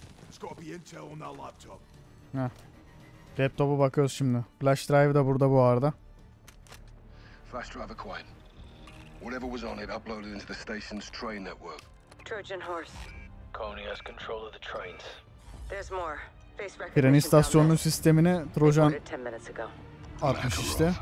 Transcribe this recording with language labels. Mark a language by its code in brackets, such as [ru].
[en] It's got to be intel on that laptop. Ha. [tr] Laptopa bakıyoruz şimdi. Flash drive da burada bu arada. [en] Flash drive acquired. Whatever was on it uploaded into the station's train network. Trojan horse. Coney has control of the trains. There's more. [tr] Tren istasyonunun sistemine Trojan atmış işte.